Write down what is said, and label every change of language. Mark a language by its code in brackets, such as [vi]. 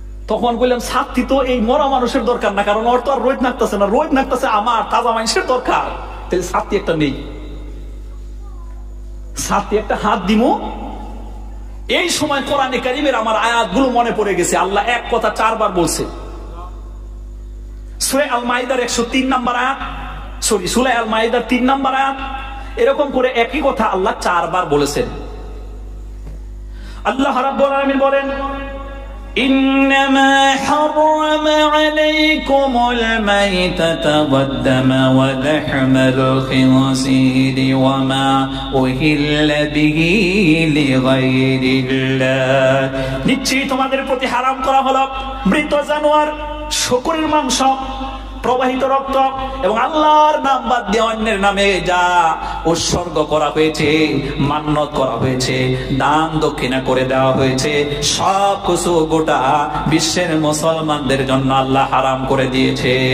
[bn] তখন কইলাম সাতটি তো এই মরা মানুষের দরকার না কারণ ওর তো আর রোদ নাকতেছে না রোদ নাকতেছে আমার তাজা মানুষের দরকার তাহলে সাতটি একটা নেই সাতটি একটা হাত দিমু এই সময় কোরআনে কারিমের আমার আয়াতগুলো মনে পড়ে গেছে আল্লাহ এক কথা চারবার বলছে সূরা আল মাইদার ১০৩ নম্বর আয়াত সরি সূরা আল মাইদার ৩ নম্বর আয়াত এরকম করে একই কথা আল্লাহ চারবার বলেছেন আল্লাহ রাব্বুল আলামিন বলেন [ar] إنما حرم عليكم الميتة والدم ولحم الخنزير وما أهل به لغير الله [bn] نيتشي তোমাদের প্রতি হারাম করা হলো মৃত জানোয়ার শূকরের মাংস প্রবাহিত রক্ত এবং আল্লাহর নাম বাদ দিয়ে অন্যের নামে যা উৎসর্গ করা হয়েছে মান্নত করা হয়েছে দান দক্ষিণা করে দেওয়া হয়েছে সব কিছু গোটা বিশ্বের মুসলমানদের জন্য আল্লাহ হারাম করে দিয়েছে